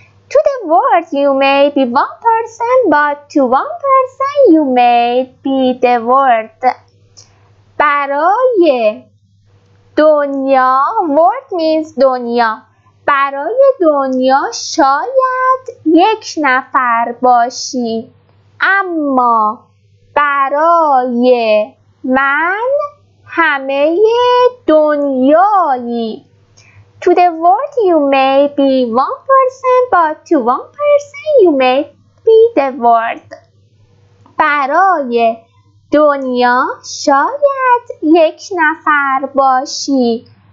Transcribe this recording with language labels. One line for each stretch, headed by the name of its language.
English: To the world, you may be one person, but to one person, you may be the world.
Persian: برای دنیا,
English: world means
Persian: دنیا. برای دنیا شاید یک نفر باشی. اما برای من همه دنیایی.
English: To the world you may be one person, but to one person you may be the world.
Persian: برای دنیا شاید یک نفر باشی.